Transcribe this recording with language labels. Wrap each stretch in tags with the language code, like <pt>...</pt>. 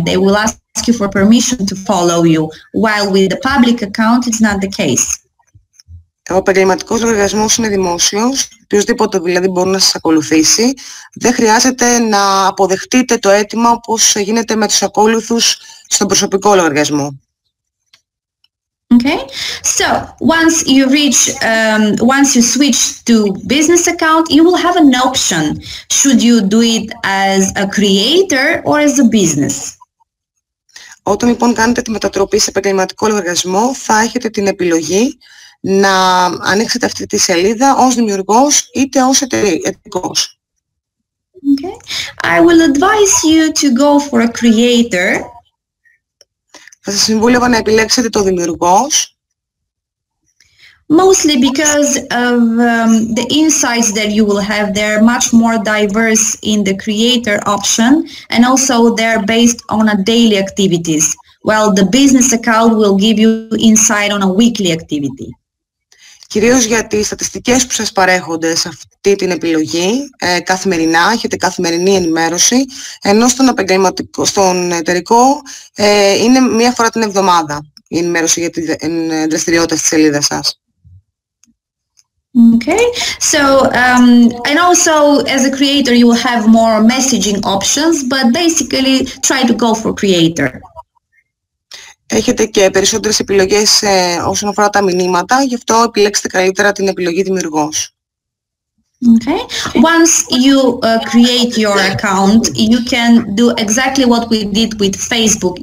<en>They will ask you for permission to follow you, while with the public account, it's not the case.</en> <el>Ο επαγγελματικός λογαριασμός είναι δημόσιος, οποιοδήποτε δηλαδή μπορεί να σας ακολουθήσει. Δεν χρειάζεται να αποδεχτείτε το αίτημα όπως γίνεται με τους ακόλουθους στον προσωπικό λογαριασμό.</el> <en>Okay, so once you reach, once you switch to business account, you will have an option. Should you do it as a creator or as a business?</en> <el>Όταν λοιπόν κάνετε τη μετατροπή σε επαγγελματικό λογαριασμό, θα έχετε την επιλογή να ανοίξετε αυτή τη σελίδα ως δημιουργός είτε ως εταιρικός.</el> <en>Okay. I will advise you to go for a creator.</en> <el>Θα σας συμβούλευα να επιλέξετε το δημιουργός.</el> <en>Mostly because of the insights that you will have, they are much more diverse in the creator option, and also they are based on a daily activities. While the business account will give you insight on a weekly activity.</en> <el>Κυρίως γιατί οι στατιστικές που σας παρέχονται σε αυτή την επιλογή καθημερινά, έχετε καθημερινή ενημέρωση, ενώ στον επαγγελματικό, στον εταιρικό είναι μία φορά την εβδομάδα η ενημέρωση για τις δραστηριότητες της σελίδας σας.</el> <en>Okay, so and also as a creator you will have more messaging options, but basically try to go for creator.</en> <el>Έχετε και περισσότερες επιλογές όσον αφορά τα μηνύματα, γι' αυτό επιλέξτε καλύτερα την επιλογή δημιουργός.</el> <en>Okay. Once you create your account, you can do exactly what we did with Facebook.</en>